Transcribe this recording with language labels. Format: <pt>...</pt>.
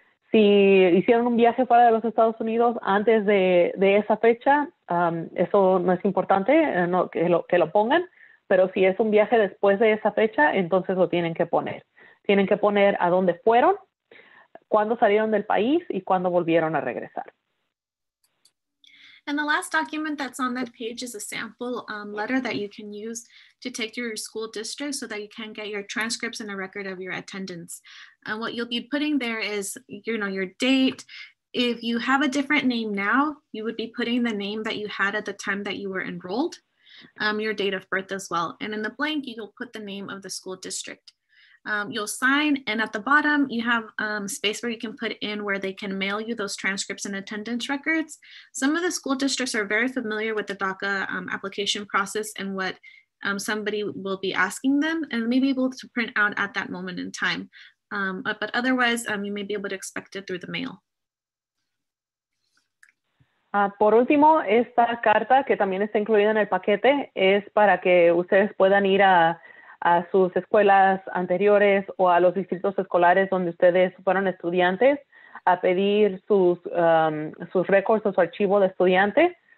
<es>Si hicieron un viaje fuera de los Estados Unidos antes de esa fecha, eso no es importante no, que lo pongan, pero si es un viaje después de esa fecha, entonces lo tienen que poner. Tienen que poner a dónde fueron, cuándo salieron del país y cuándo volvieron a regresar.</es> <en>And the last document that's on that page is a sample letter that you can use to take to your school district so that you can get your transcripts and a record of your attendance. And what you'll be putting there is, you know, your date. If you have a different name now, you would be putting the name that you had at the time that you were enrolled, your date of birth as well. And in the blank, you'll put the name of the school district. You'll sign, and at the bottom, you have space where you can put in where they can mail you those transcripts and attendance records. Some of the school districts are very familiar with the DACA application process and what somebody will be asking them, and may be able to print out at that moment in time. But otherwise, you may be able to expect it through the mail.</en> <es>Por último, esta carta, que también está incluida en el paquete, es para que ustedes puedan ir a sus escuelas anteriores o a los distritos escolares donde ustedes fueron estudiantes a pedir sus, sus récords o su archivo de estudiante.</es>